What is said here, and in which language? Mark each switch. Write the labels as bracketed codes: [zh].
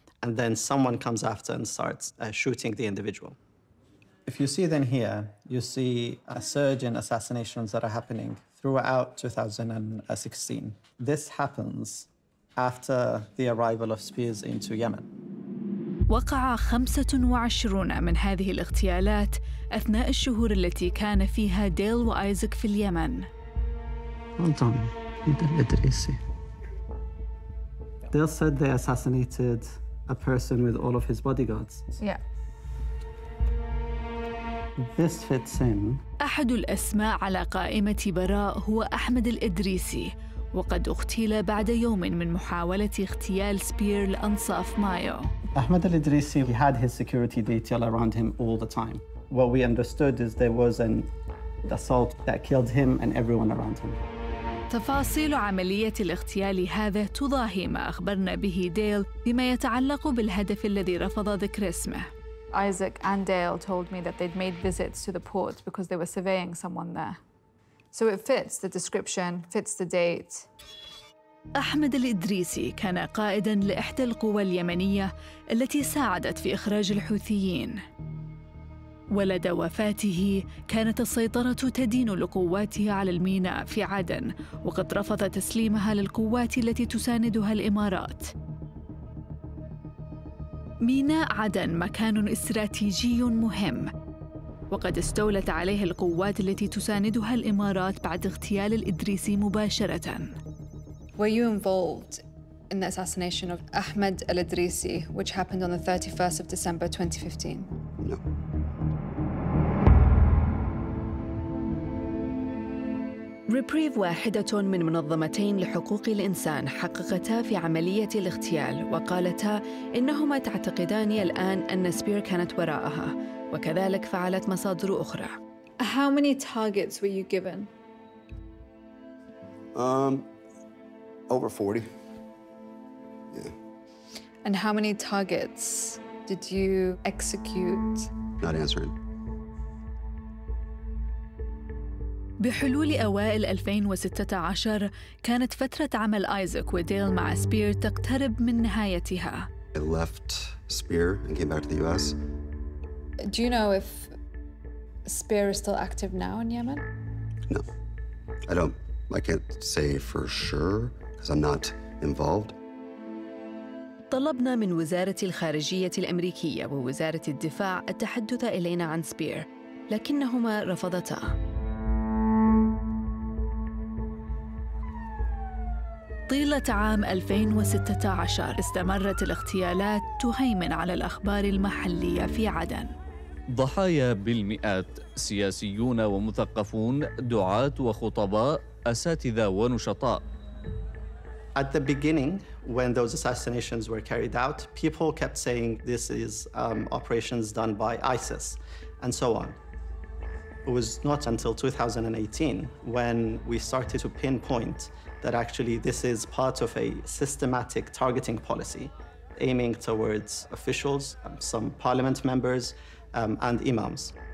[en] And then someone comes after and starts shooting the individual. If you see then here, you see a surge in assassinations that are happening throughout 2016. This happens after the arrival of Spears into Yemen. [ar] وقع 25 من هذه الاغتيالات أثناء الشهور التي كان فيها ديل وآيزك في اليمن. أنتم مدل إدريسي. [en] Dale said they assassinated a person with all of his bodyguards. Yeah. This fits in. [ar] أحد الأسماء على قائمة براء هو أحمد الإدريسي، وقد اغتيل بعد يوم من محاولة اغتيال سبير لأنصاف مايو. [en] أحمد الإدريسي he had his security detail around him all the time. What we understood is there was an assault that killed him and everyone around him. [ar] تفاصيل عملية الاغتيال هذا تضاهي ما أخبرنا به ديل بما يتعلق بالهدف الذي رفض ذكر اسمه. [en] Isaac and Dale told me that they'd made visits to the port because they were surveying someone there. So it fits the description, fits the date. [ar] أحمد الإدريسي كان قائداً لإحدى القوى اليمنية التي ساعدت في إخراج الحوثيين. ولدى وفاته كانت السيطرة تدين لقواته على الميناء في عدن، وقد رفض تسليمها للقوات التي تساندها الإمارات. ميناء عدن مكان استراتيجي مهم، وقد استولت عليه القوات التي تساندها الإمارات بعد اغتيال الإدريسي مباشرة. [en] Were you involved in the assassination of Ahmed al-Idrisi, which happened on the 31st of December 2015? No. [ar] ريبريف واحدة من منظمتين لحقوق الإنسان حققتا في عملية الاغتيال، وقالتا إنهما تعتقدان الآن أن سبير كانت وراءها، وكذلك فعلت مصادر أخرى. [en] How many targets were you given? Over 40. Yeah. And how many targets did you execute? Not answering. [ar] بحلول أوائل 2016 كانت فترة عمل آيزاك وديل مع سبير تقترب من نهايتها. [en] I left Spear and came back to the US. Do you know if Spear is still active now in Yemen? No. I can't say for sure because I'm not involved. [ar] طلبنا من وزارة الخارجية الأمريكية ووزارة الدفاع التحدث إلينا عن سبير، لكنهما رفضتا. طيلة عام 2016 استمرت الاغتيالات تهيمن على الأخبار المحلية في عدن. ضحايا بالمئات، سياسيون ومثقفون، دعاة وخطباء، أساتذة ونشطاء. [en] At the beginning, when those assassinations were carried out, people kept saying this is operations done by ISIS and so on. It was not until 2018 when we started to pinpoint that actually this is part of a systematic targeting policy aiming towards officials, some parliament members, and imams.